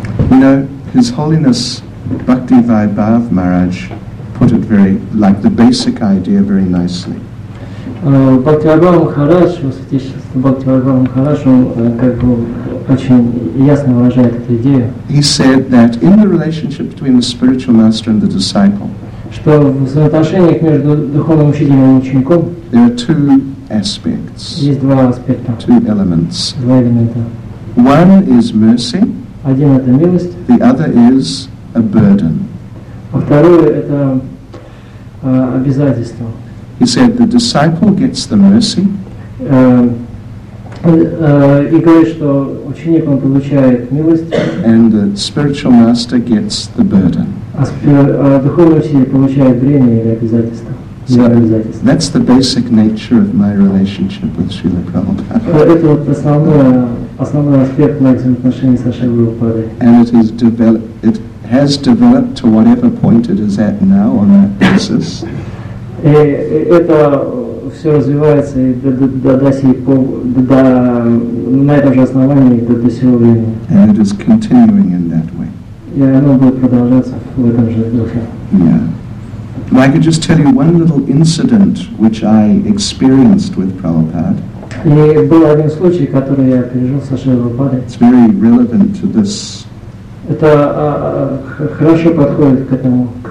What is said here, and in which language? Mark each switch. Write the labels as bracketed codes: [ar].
[en] You know, His Holiness Bhaktivaibhav Maharaj put it very, like the basic idea, very nicely. [ru] Бхактивайбхава Махарадж, его святейшество Бхактивайбхава Махарадж, он как бы очень ясно выражает эту идею. [en] He said that in the relationship between the spiritual master and the disciple, [ru] что в взаимоотношениях между духовным учителем и учеником, [en] there are two aspects, [ru] есть два аспекта, [en] two elements, [ru] два элемента. [en] One is mercy, [ru] один это милость, [en] the other is a burden, [ru] а второе это обязательство. [en] He said the disciple gets the mercy. [ru] И говорит, что ученик он получает милость. [en] And the spiritual master gets the burden. [ru] Духовный учитель получает бремя или обязательство. [en] So that's the basic nature of my relationship with Srila Prabhupada. [ru] Это вот основной аспект моих взаимоотношений с Шрилой Прабхупадой. [en] And it is it has developed to whatever point it is at now on that basis. [ru] И это все развивается и на этом же основании до сего времени. [en] And it is continuing in that way. [ru] И оно будет продолжаться в этом же духе. Yeah. [en] Well, I could just tell you one little incident which I experienced with Prabhupada. [ru] И был один случай, который я пережил со Шрилой Прабхупадой. [en] It's very relevant to this. [ru] Это хорошо подходит к этому.